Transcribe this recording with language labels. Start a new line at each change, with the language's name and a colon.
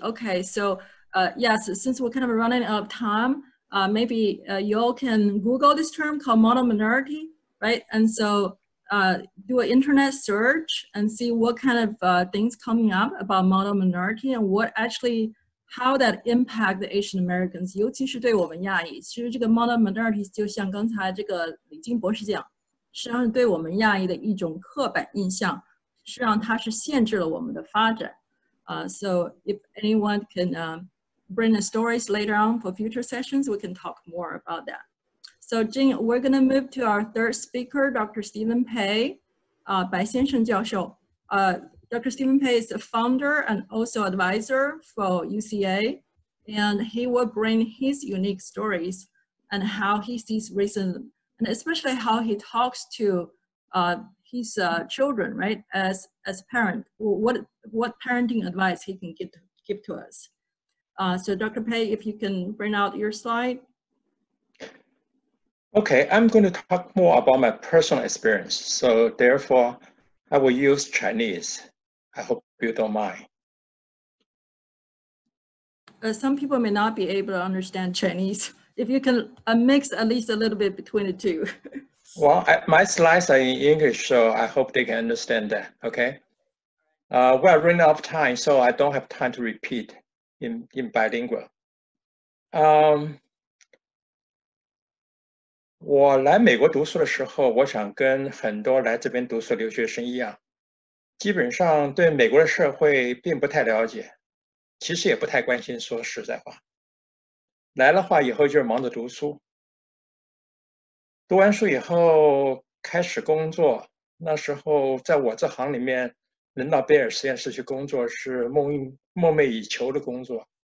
English: Okay, so yes, since we're kind of running out of time, maybe you all can Google this term called model minority, right? And so do an internet search and see what kind of things coming up about model minority and what actually... How that impact the Asian Americans,
Chinese: 尤其是对我们亚裔。其实这个 modern minority 就像刚才这个李金博士讲，实际上对我们亚裔的一种刻板印象，实际上它是限制了我们的发展。
English: So if anyone can bring the stories later on for future sessions, we can talk more about that. So Jing, we're going to move to our third speaker, Dr.
Chinese: Stephen Pei, 白先生教授。
English: Dr. Stephen Pei is a founder and also advisor for UCA, and he will bring his unique stories and how he sees racism, and especially how he talks to his children, right, as parent, what parenting advice he can give to us. So Dr. Pei, if you can bring out your slide. Okay, I'm going to talk more about my personal experience. So therefore, I will use Chinese. I hope you don't mind. Some people may not be able to understand Chinese. If you can mix at least a little bit between the two. Well, my slides are in English, so I hope they can understand that, okay? We are running out of time, so I don't have time to repeat in bilingual.
Chinese: 我来美国读书的时候，我想跟很多来这边读书留学生一样。基本上对美国的社会并不太了解，其实也不太关心，说实在话。来的话以后就是忙着读书。读完书以后开始工作，那时候在我这行里面能到贝尔实验室去工作是梦寐以求的工作。